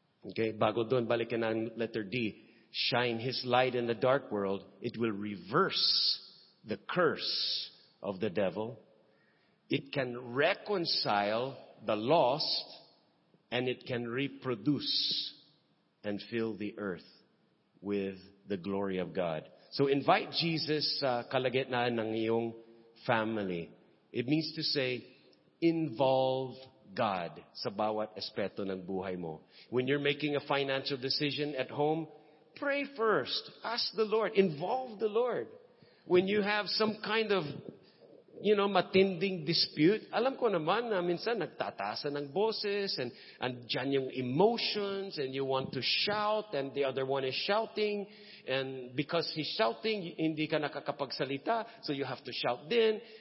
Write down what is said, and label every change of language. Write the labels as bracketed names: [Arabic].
[English] Okay, [Filipino] bago doon, balikan ang [English] letter D. Shine His light in the dark world. It will reverse the curse of the devil. It can reconcile the lost, and it can reproduce and fill the earth with the glory of God. So invite Jesus [Filipino] sa kalagitnaan ng iyong family. [English] It means to say, involve God [Filipino] sa bawat aspeto ng buhay mo. [English] When you're making a financial decision at home, pray first. Ask the Lord. Involve the Lord. When you have some kind of, you know, [Filipino] matinding [English] dispute, [Filipino] alam ko naman na minsan nagtatasan ng boses [English] and [Filipino] dyan yung [English] emotions and you want to shout and the other one is shouting and because he's shouting, [Filipino] hindi ka nakakapagsalita, [English] so you have to shout din.